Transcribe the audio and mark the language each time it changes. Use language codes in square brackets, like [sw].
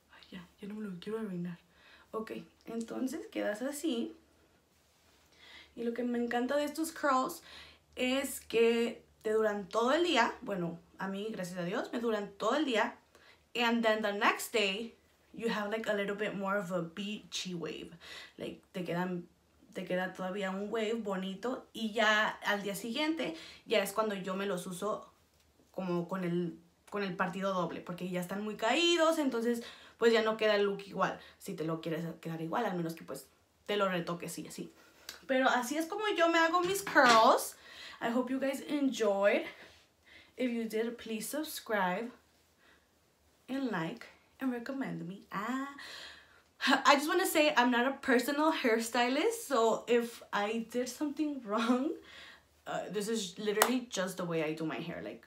[es] Ya no me lo quiero arruinar. Ok, entonces quedas así. Y lo que me encanta de estos curls es que te duran todo el día. Bueno, a mí, gracias a Dios, me duran todo el día. [en] And then the next day, you have like a little bit more of a beachy wave. [es] Like, te queda todavía un wave bonito. Y ya al día siguiente, ya es cuando yo me los uso como con el partido doble. Porque ya están muy caídos, entonces pues ya no queda el look igual. Si te lo quieres quedar igual, al menos que pues te lo retoques y así. Pero así es como yo me hago mis curls. [en] I hope you guys enjoyed. If you did, please subscribe and like and recommend me. I just want to say I'm not a personal hairstylist, so if I did something wrong, this is literally just the way I do my hair.